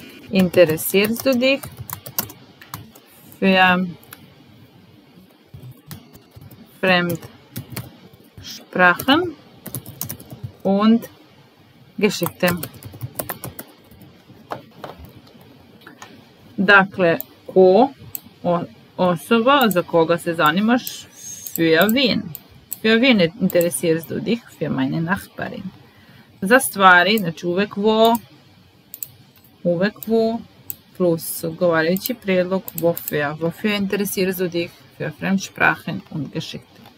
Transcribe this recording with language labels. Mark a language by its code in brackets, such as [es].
[de] Interessierst du dich? Für Fremdsprachen und Geschichte. [sr] Dakle, ko, osoba, za koga se zanimaš, [de] für wen. Für wen interesierst du dich, für meine Nachbarin. [sr] Za stvari, znači uvek wo, plus govoreći predlog, wofür. [de] Wofür interesierst du dich, für Fremdsprachen und Geschichte.